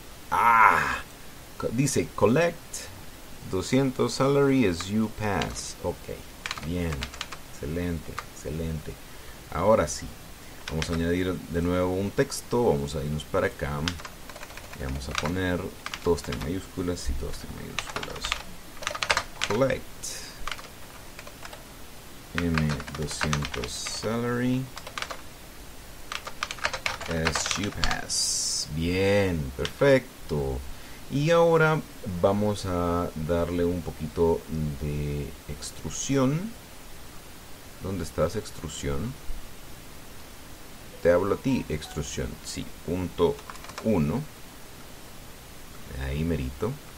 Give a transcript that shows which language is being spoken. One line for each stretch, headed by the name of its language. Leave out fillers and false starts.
Spanish: Ah, dice
English: collect 200 salary as you pass.
Spanish: Ok, bien. Excelente, excelente. Ahora sí. Vamos a añadir de nuevo un texto. Vamos a irnos para acá. Y vamos a poner todos en mayúsculas y todos en mayúsculas.
English: Collect M200 salary as you pass.
Spanish: Bien, perfecto. Y ahora vamos a darle un poquito de extrusión. ¿Dónde estás, extrusión? Te hablo a ti, extrusión. Sí, punto 1. Ahí merito.